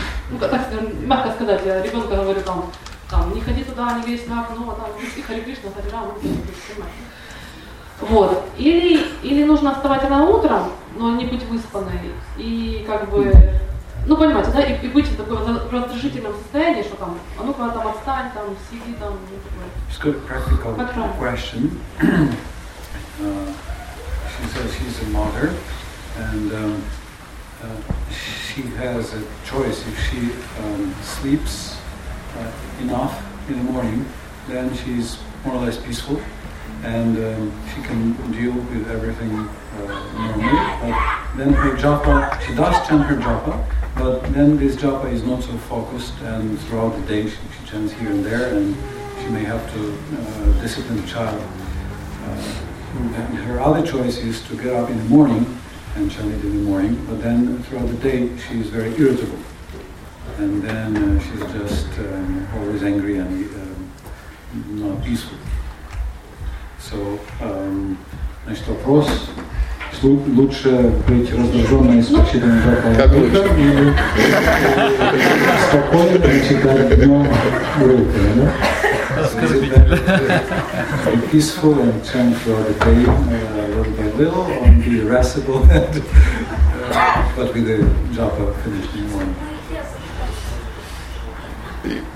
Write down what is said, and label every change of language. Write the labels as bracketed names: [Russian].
[Russian] Ну, так мягко сказать, я ребенка говорю там. Там, не ходи туда, не лезь на окно, там, и Хари Кришна, Хари Рам, и все, вот. Или нужно вставать рано утром, но не быть выспанной, и как бы, ну, понимаете, да, и быть в таком раздражительном состоянии, что там, а ну-ка, там, отстань, там, сиди, там, и такое. [English] It's a good practical question. She says she's a mother, and she has a choice if she sleeps enough in the morning, then she's more or less peaceful, and she can deal with everything normally. But then her japa, she does chant her japa, but then this japa is not so focused, and throughout the day she chants here and there, and she may have to discipline the child. And her other choice is to get up in the morning and chant it in the morning, but then throughout the day she is very irritable. And then she's just always angry and not peaceful. [Russian] So, значит, вопрос, лучше быть раздраженной с прочитанной джапой утром или спокойно читать днем урока, да? [English] Be peaceful and chant throughout the day, little by little, or be irascible, but with the japa finished in the morning.